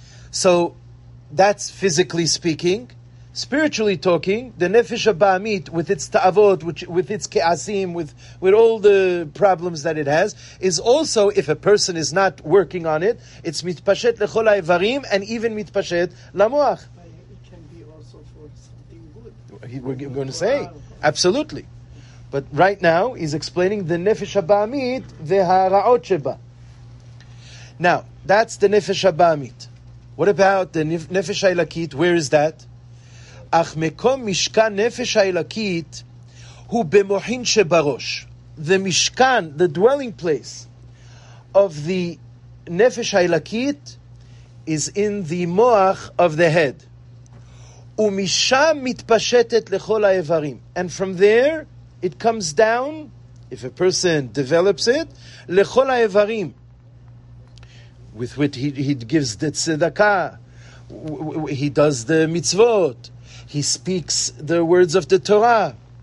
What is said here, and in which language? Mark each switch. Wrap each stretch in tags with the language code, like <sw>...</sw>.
<en>So, that's physically speaking. Spiritually talking, the nefesh ha-ba'amit, with its ta'avot, with its ke'asim, with all the problems that it has, is also, if a person is not working on it, it's</en> <he>mitpashet lechol ha-evarim,</he> <en>and even</en> <he>mitpashet la-moach.</he> <en>It can be also for something good. We're going to say, absolutely. But right now, he's explaining the</en> <he>nefesh ha-ba'amit ve-ha-ra'ot sheba.</he> <en>Now, that's the nefesh ha-ba'amit. What about the nefesh ha-elakit? Where is that?</en> <he>אך מקום משכן נפש האלוקית הוא במוחין שבראש.</he> <en>The משכן, the dwelling place of the נפש האלוקית is in the moach of the head.</en> <he>Umisham mitpashetet lechol ha'evarim.</he> <en>And from there, it comes down, if a person develops it,</en> <he>lechol ha'evarim,</he> <en>with which he gives the tzedakah, he does the mitzvot, he speaks the words of the Torah.</en>